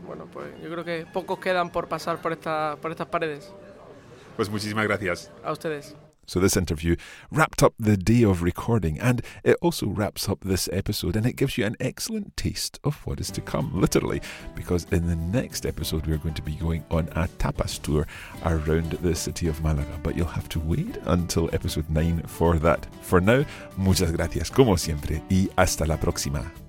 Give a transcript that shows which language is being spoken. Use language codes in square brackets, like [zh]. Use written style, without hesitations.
[es] Pues yo creo que pocos quedan por pasar por estas paredes. Pues muchísimas gracias. A ustedes. [en] So this interview wrapped up the day of recording, and it also wraps up this episode, and it gives you an excellent taste of what is to come, literally, because in the next episode we're going to be going on a tapas tour around the city of Málaga, but you'll have to wait until episode 9 for that. For now, [es] muchas gracias, como siempre, y hasta la próxima.